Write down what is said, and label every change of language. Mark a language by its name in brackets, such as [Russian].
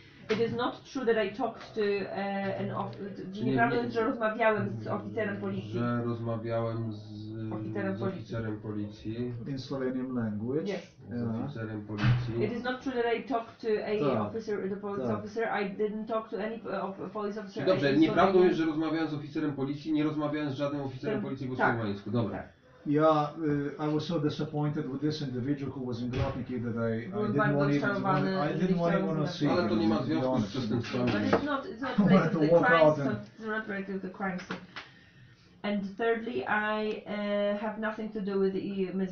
[English] It is not true that I talked to an officer. [Polish] Rozmawiałem z oficerem policji. [English] In Slovenian language. Yes. [Polish] Yeah. Oficerem policji. [English] It is not true that I talked to a officer, the police officer. I didn't talk to any police officer. [Polish] Dobrze, nieprawdą jest, że rozmawiałem z oficerem policji, nie rozmawiałem z żadnym oficerem policji w Słowiańsku. Dobra. [English] Yeah, I was so disappointed with this individual who was in Grodniki that I didn't want to see. [Polish] Ale to nie ma związku z przestępstwami. [English] But it's not related to the crimes. It's not related to the crimes. And thirdly, I have nothing to do with the EU, Ms.